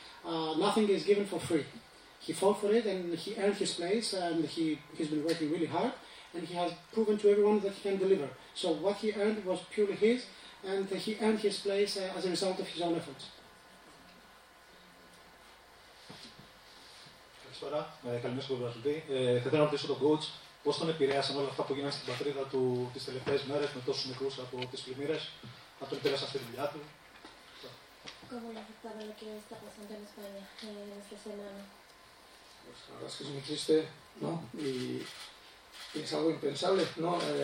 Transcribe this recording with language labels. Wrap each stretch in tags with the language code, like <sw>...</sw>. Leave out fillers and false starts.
<en>Nothing is given for free. He fought for it and he earned his place and he's been working really hard and he has proven to everyone that he can deliver. So what he earned was purely his, and he earned his place as a result of his own efforts.</en> <el>Καλησπέρα. Καλημέρα στον πρωταθλητή. Θα ήθελα να ρωτήσω τον coach πώς τον επηρέασαν όλα αυτά που γίνανε στην πατρίδα του τις τελευταίες μέρες με τόσους νεκρούς από τις πλημμύρες. Θα τον επηρέασαν αυτή τη δουλειά του.</el> <es>Como la afectaron lo que está pasando en España en esta semana. Pues la verdad es que es muy triste, ¿no? Y es algo impensable, ¿no?</es>